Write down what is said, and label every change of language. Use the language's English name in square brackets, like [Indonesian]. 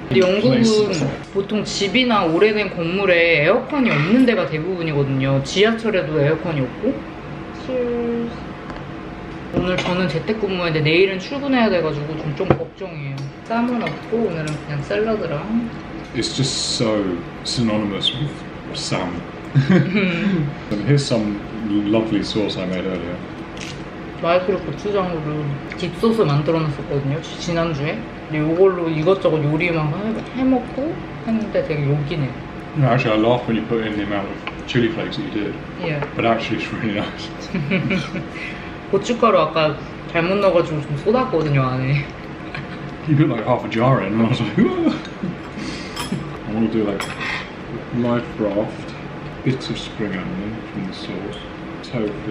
[Korean] 영국은 보통 집이나 오래된 건물에 에어컨이 없는 데가 대부분이거든요. 지하철에도 에어컨이 없고. [English] Cheers. [Korean] 오늘 저는 재택근무인데 내일은 출근해야 돼가지고 좀 걱정이에요. 쌈은 없고 오늘은 그냥 샐러드랑. [English] It's just so synonymous with Sam. Here's some lovely sauce I made earlier. [Korean] 마이클이 고추장으로 딥소스 만들어놨었거든요, 지난주에. 근데 이걸로 이것저것 요리 막 해먹고 했는데 되게 욕이네. [English] No, actually, I laugh when you put in the amount of chili flakes that you did. Yeah. But actually, it's really nice. [Korean] 고춧가루 아까 잘못 넣어가지고 좀 쏟았거든요, 안에. [English] You put like half a jar in, and I was like, I want to do like life raft. Bits of spring onion from the sauce, tofu.